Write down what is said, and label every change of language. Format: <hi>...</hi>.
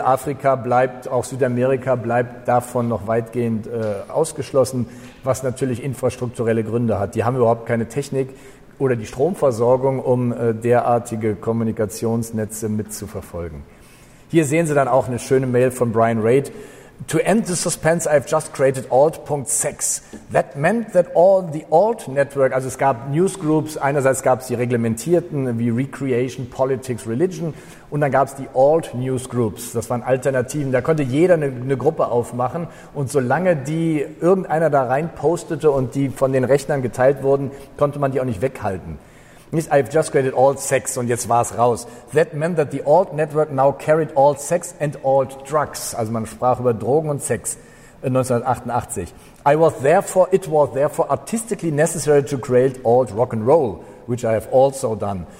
<de>Afrika bleibt, auch Südamerika bleibt davon noch weitgehend ausgeschlossen, was natürlich infrastrukturelle Gründe hat. Die haben überhaupt keine Technik oder die Stromversorgung, um derartige Kommunikationsnetze mitzuverfolgen. Hier sehen Sie dann auch eine schöne Mail von Brian Raitt.</de> <en>To end the suspense, I've just created alt.sex. That meant that all the alt network,</en> <de>also es gab Newsgroups, einerseits gab es die reglementierten wie Recreation, Politics, Religion, und dann gab es die alt Newsgroups. Das waren Alternativen. Da konnte jeder eine Gruppe aufmachen, und solange die irgendeiner da rein postete und die von den Rechnern geteilt wurden, konnte man die auch nicht weghalten.</de> <en>I've just created alt sex,</en> <de>und jetzt war es raus.</de> <en>That meant that the alt network now carried alt sex and alt drugs.</en> <de>Also man sprach über Drogen und Sex 1988.</de> <en>It was therefore artistically necessary to create alt rock and roll, which I have also done.</en>